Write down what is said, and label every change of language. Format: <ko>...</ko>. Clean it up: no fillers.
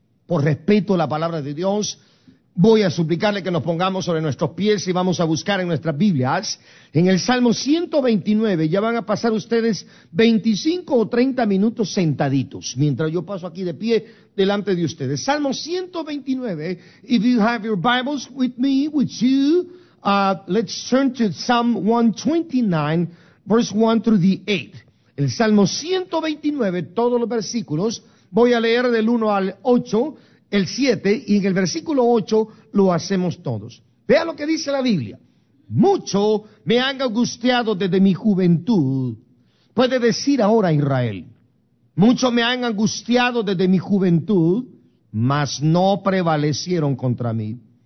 <es>Por respeto a la palabra de Dios, voy a suplicarle que nos pongamos sobre nuestros pies y vamos a buscar en nuestras Biblias, en el Salmo 129, ya van a pasar ustedes 25 o 30 minutos sentaditos, mientras yo paso aquí de pie delante de ustedes.</es> <en>Salmo 129, if you have your Bibles with me, with you, let's turn to Psalm 129, verse 1 through the 8.</en> <es>El Salmo 129, todos los versículos, voy a leer del 1 al 8, el 7, y en el versículo 8 lo hacemos todos. Vea lo que dice la Biblia. Mucho me han angustiado desde mi juventud. Puede decir ahora Israel. Mucho me han angustiado desde mi juventud, mas no prevalecieron contra mí.</es>